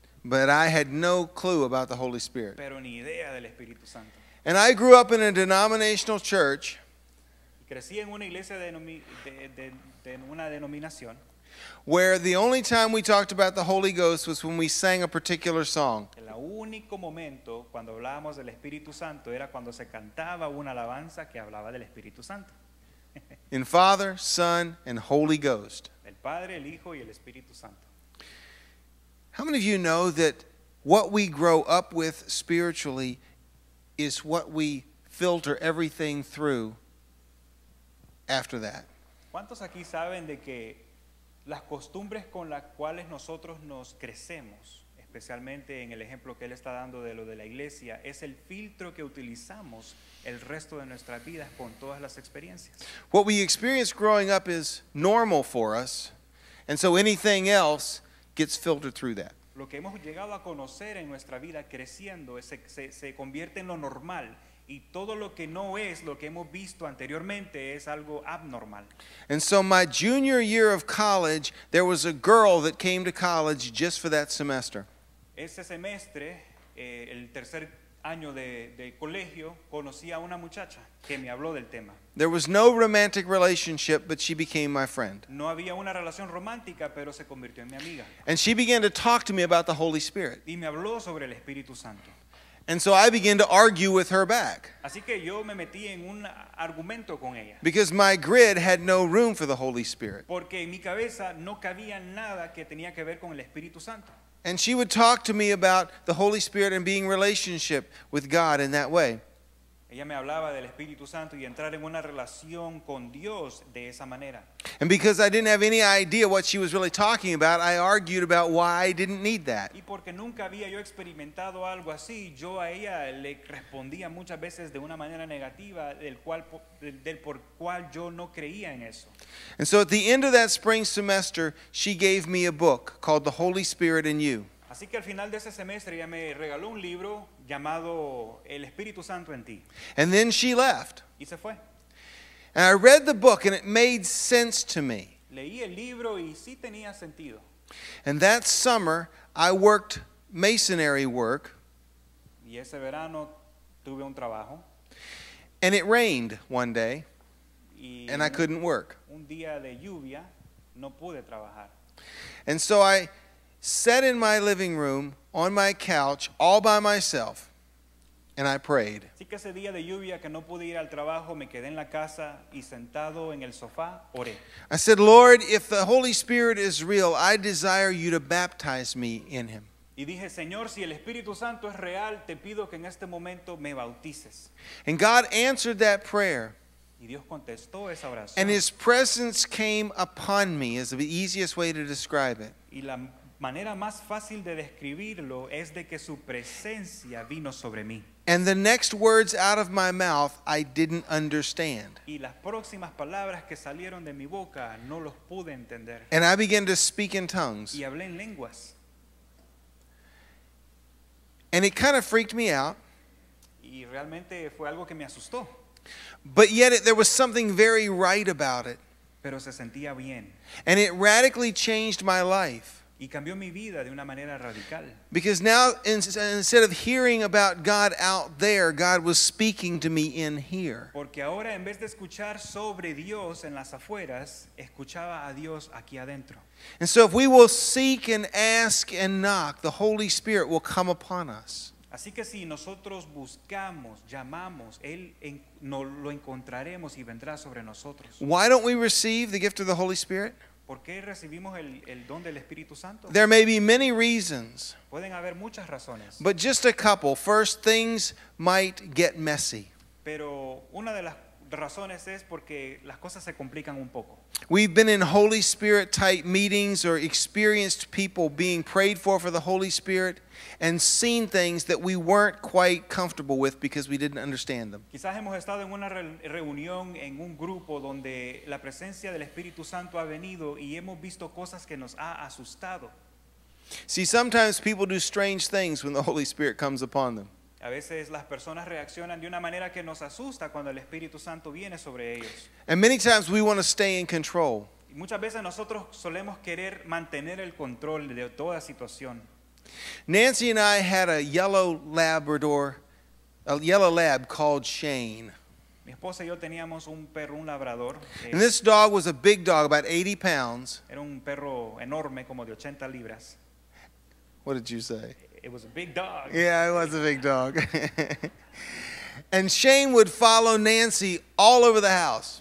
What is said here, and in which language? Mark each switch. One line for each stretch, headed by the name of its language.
English: but I had no clue about the Holy Spirit.
Spanish: Pero ni idea del Espíritu Santo.
English: And I grew up in a denominational church.
Spanish: Crecí en una iglesia de una denominación.
English: Where the only time we talked about the Holy Ghost was when we sang a particular song.
Spanish: El único momento cuando hablábamos del Espíritu Santo era cuando se cantaba una alabanza que hablaba del Espíritu Santo.
English: In Father, Son, and Holy Ghost.
Spanish: El Padre, el Hijo, y el Espíritu Santo.
English: How many of you know that what we grow up with spiritually is what we filter everything through after that?
Spanish: ¿Cuántos aquí saben de que las costumbres con las cuales nosotros nos crecemos, especialmente en el ejemplo que él está dando de lo de la iglesia, es el filtro que utilizamos el resto de nuestras vidas con todas las experiencias?
English: What we experience growing up is normal for us, and so anything else gets filtered through that.
Spanish: Lo que hemos llegado a conocer en nuestra vida creciendo se convierte en lo normal, y todo lo que no es lo que hemos visto anteriormente es algo abnormal.
English: And so my junior year of college, there was a girl that came to college just for that semester.
Spanish: Ese semestre, el tercer año de colegio, conocí a una muchacha que me habló del tema.
English: There was no romantic relationship, but she became my friend.
Spanish: No había una relación romántica, pero se convirtió en mi amiga.
English: And she began to talk to me about the Holy Spirit.
Spanish: Y me habló sobre el Espíritu Santo.
English: And so I began to argue with her back.
Spanish: Así que yo me metí en un argumento con ella.
English: Because my grid had no room for the Holy Spirit.
Spanish: Porque en mi cabeza no cabía nada que tenía que ver con el Espíritu Santo.
English: And she would talk to me about the Holy Spirit and being in relationship with God in that way.
Spanish: Ella me hablaba del Espíritu Santo y entrar en una relación con Dios de esa manera.
English: And because I didn't have any idea what she was really talking about, I argued about why I didn't need that.
Spanish: Y porque nunca había yo experimentado algo así, yo a ella le respondía muchas veces de una manera negativa del por cual yo no creía en eso.
English: And so at the end of that spring semester, she gave me a book called The Holy Spirit in You.
Spanish: Así que al final de ese semestre ella me regaló un libro llamado El Espíritu Santo en Ti.
English: And then she left.
Spanish: Y se fue.
English: And I read the book and it made sense to me.
Spanish: Leí el libro y sí tenía sentido.
English: And that summer I worked masonry work.
Spanish: Y ese verano tuve un trabajo.
English: And it rained one day.
Spanish: Y
English: and I couldn't work.
Spanish: Un día de lluvia no pude trabajar.
English: And so I sat in my living room on my couch all by myself. And I prayed.
Spanish: Así que ese día de lluvia que no pude ir al trabajo, me quedé en la casa y sentado en el sofá, oré.
English: I said, Lord, if the Holy Spirit is real, I desire you to baptize me in him.
Spanish: Y dije, Señor, si el Espíritu Santo es real, te pido que en este momento me bautices.
English: And God answered that prayer.
Spanish: Y Dios contestó esa oración.
English: And his presence came upon me is the easiest way to describe it.
Spanish: Y la manera más fácil de describirlo es de que su presencia vino sobre mí.
English: And the next words out of my mouth, I didn't understand.
Spanish: Y las próximas palabras que salieron de mi boca, no los pude entender.
English: And I began to speak in tongues.
Spanish: Y hablé en lenguas.
English: And it kind of freaked me out.
Spanish: Y realmente fue algo que me asustó.
English: But yet there was something very right about it.
Spanish: Pero se sentía bien.
English: And it radically changed my life.
Spanish: Y cambió mi vida de una manera radical.
English: Because now instead of hearing about God out there, God was speaking to me in here.
Spanish: Porque ahora en vez de escuchar sobre Dios en las afueras, escuchaba a Dios aquí adentro.
English: And so if we will seek and ask and knock, the Holy Spirit will come upon us.
Spanish: Así que si nosotros buscamos, llamamos, Él no lo encontraremos y vendrá sobre nosotros.
English: Why don't we receive the gift of the Holy Spirit?
Spanish: ¿Por qué recibimos el don del Espíritu Santo?
English: There may be many reasons.
Spanish: Pueden haber muchas razones.
English: But just a couple. First, things might get messy.
Spanish: Pero una de las razones es porque las cosas se complican un poco.
English: We've been in Holy Spirit type meetings or experienced people being prayed for the Holy Spirit and seen things that we weren't quite comfortable with because we didn't understand them.
Spanish: Quizás hemos estado en una reunión en un grupo donde la presencia del Espíritu Santo ha venido y hemos visto cosas que nos ha asustado.
English: See, sometimes people do strange things when the Holy Spirit comes upon them.
Spanish: A veces las personas reaccionan de una manera que nos asusta cuando el Espíritu Santo viene sobre ellos.
English: And many times we want to stay in control.
Spanish: Y muchas veces nosotros solemos querer mantener el control de toda situación.
English: Nancy and I had a yellow lab called Shane.
Spanish: Mi esposa y yo teníamos un perro, un labrador.
English: And this dog was a big dog, about 80 pounds.
Spanish: Era un perro enorme, como de 80 libras.
English: What did you say? It was a big dog. Yeah, it was a big dog. And Shane would follow Nancy all over the house.